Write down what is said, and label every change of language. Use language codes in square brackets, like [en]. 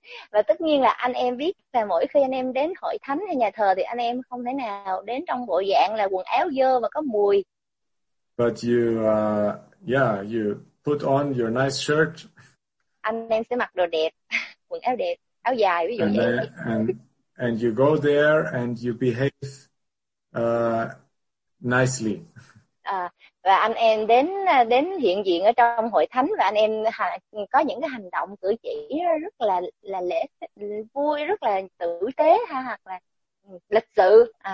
[vi] Và tất nhiên là anh em biết là mỗi khi anh em đến hội thánh hay nhà thờ thì anh em không thể nào đến trong bộ dạng là quần áo dơ và có mùi. [en] But you, yeah, you put on your nice shirt. [vi] Anh em sẽ mặc đồ đẹp, quần áo đẹp, áo dài, ví dụ [en] and [vi] vậy. [en] And you go there and you behave nicely. [vi] Và anh em đến hiện diện ở trong hội thánh và anh em có những cái hành động cử chỉ rất là lễ vui, rất là tử tế ha, hoặc là lịch sự.